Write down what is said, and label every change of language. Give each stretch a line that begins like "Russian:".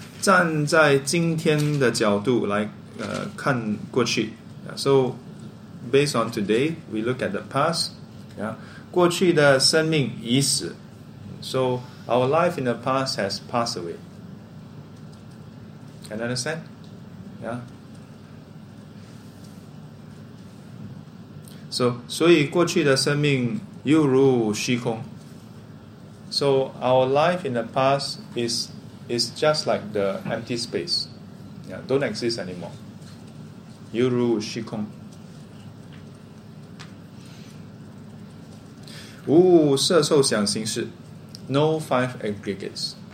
Chinese: 站在今天的角度来看过去.
English: Yeah? So, based on today, we look at the past. Yeah?
Chinese: 过去的生命已死.
English: So, our life in the past has passed away. Can you understand? Yeah.
Chinese: So, 所以过去的生命又如虚空.
English: So, our life in the past is just like the empty space. Yeah, don't exist anymore.
Chinese: 又如虚空. 无色受想行识.
English: No five aggregates.